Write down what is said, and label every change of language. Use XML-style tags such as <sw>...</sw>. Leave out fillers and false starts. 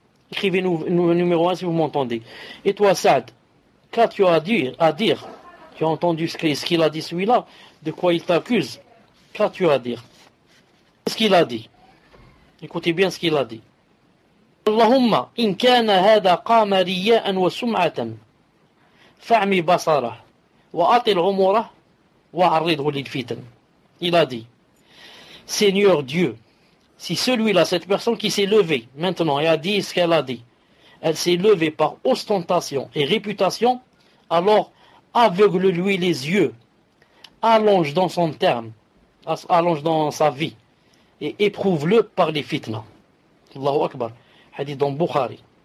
<fr>Écrivez-nous le numéro 1 si vous m'entendez. Et toi Sa'd, qu'as-tu à dire? Tu as entendu ce qu'il a dit celui-là? De quoi il t'accuse? Qu'as-tu à dire? Qu'est-ce qu'il a dit? Écoutez bien ce qu'il a dit.</fr> <ar>Allahumma, in kana hada qama riya'an wa sum'atan. فعمي بصره وأطل عمره وعرضه للفتن.</ar> <fr>Il a dit, Seigneur Dieu, si celui-là, cette personne qui s'est levée maintenant et a dit ce qu'elle a dit, elle s'est levée par ostentation et réputation, alors aveugle-lui les yeux, allonge dans son terme, allonge dans sa vie et éprouve-le par les fitnas. Allahu Akbar. Hadith dans Bukhari.</fr>